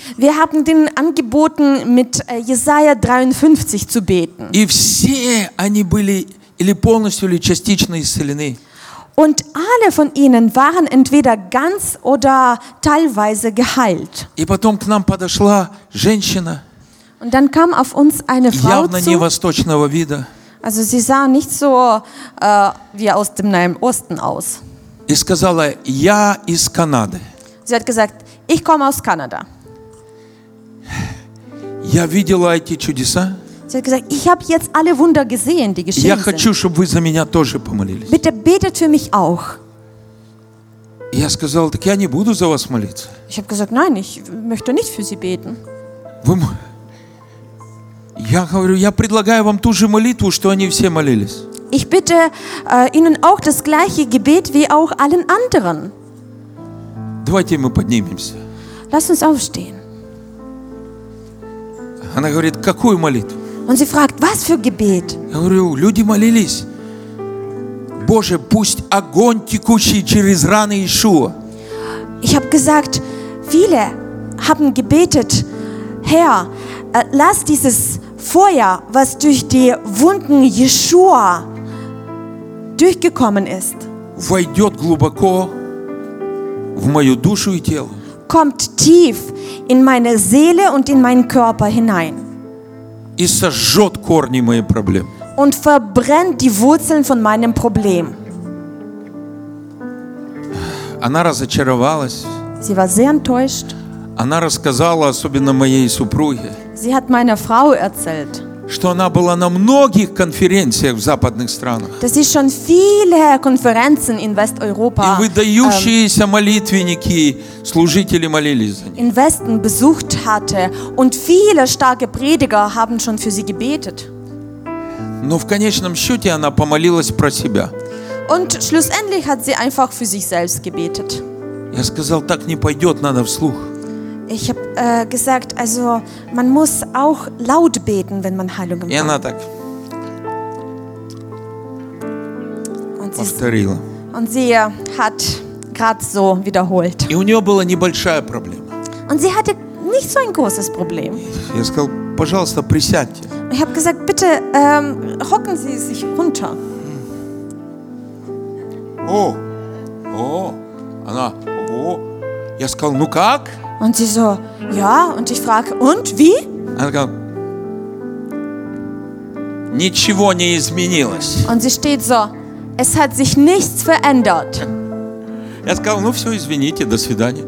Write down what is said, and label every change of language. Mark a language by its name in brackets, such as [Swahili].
[German] Wir haben denen angeboten, mit Jesaja 53 zu beten. [Russian] И все они были или полностью, или частично исцелены. [German] Und alle von ihnen waren entweder ganz oder teilweise geheilt. [Russian] И потом к нам подошла женщина. [German] Und dann kam auf uns eine Frau [Russian] явно [German] zu, [Russian] не восточного вида. [German] Also sie sah nicht so wie aus dem Nahen Osten aus. [Russian] И сказала, я из Канады. [German] Sie hat gesagt, ich komme aus Kanada. [Russian] Я видела эти чудеса. [German] Sie hat gesagt, ich habe jetzt alle Wunder gesehen, die geschehen sind. [Russian] Я хочу, чтобы вы за меня тоже помолились. [German] Bitte betet für mich auch. [Russian] Я сказал, так я не буду за вас молиться. [German] Ich habe gesagt, nein, ich möchte nicht für Sie beten. [Russian] Я говорю, я предлагаю вам ту же молитву, что они все молились. [German] Ich bitte Ihnen auch das gleiche Gebet wie auch allen anderen. [Russian] Давайте мы поднимемся. [German] Lass uns aufstehen. [Russian] Она говорит, какую молитву? [German] Und sie fragt, was für Gebet? [Russian] Я говорю, люди молились. Боже, пусть огонь текущий через раны Иешуа. [German] Ich habe gesagt, viele haben gebetet, Herr, lass dieses Feuer, was durch die Wunden Jeshua durchgekommen ist, [Russian] войдет глубоко в мою душу и тело. [German] Kommt tief in meine Seele und in meinen Körper hinein. [Russian] И сожжет корни мои проблемы. [German] Und verbrennt die Wurzeln von meinem Problem. [Russian] Она разочаровалась. [German] Sie war sehr enttäuscht. [Russian] Она рассказала особенно моей супруге. [German] Sie hat meiner Frau erzählt, [Russian] что она была на многих конференциях в западных странах. [German] Dass sie schon viele Konferenzen in Westeuropa. [Russian] И выдающиеся молитвенники, служители молились за нее. [German] In Westen besucht hatte und viele starke Prediger haben schon für sie gebetet. [Russian] Но в конечном счете она помолилась про себя. [German] Und schlussendlich hat sie einfach für sich selbst gebetet. [Russian] Я сказал, так не пойдет, надо вслух. [German] Ich habe gesagt, also man muss auch laut beten, wenn man Heilung empfängt. Und [Russian] она так повторила. [German] Und sie hat gerade so wiederholt. [Russian] И у нее была небольшая проблема. [German] Und sie hatte nicht so ein großes Problem. [Russian] Я сказал, пожалуйста, присядьте. [German] Ich habe gesagt, bitte hocken Sie sich runter. [Russian] О, о, она, о, я сказал, ну как? [German] Und sie so, ja, und ich frage, und, wie? [Russian] Она сказала, ничего не изменилось. [German] Und sie steht so, es hat sich nichts verändert. [Russian] Я сказал, ну все, извините, до свидания.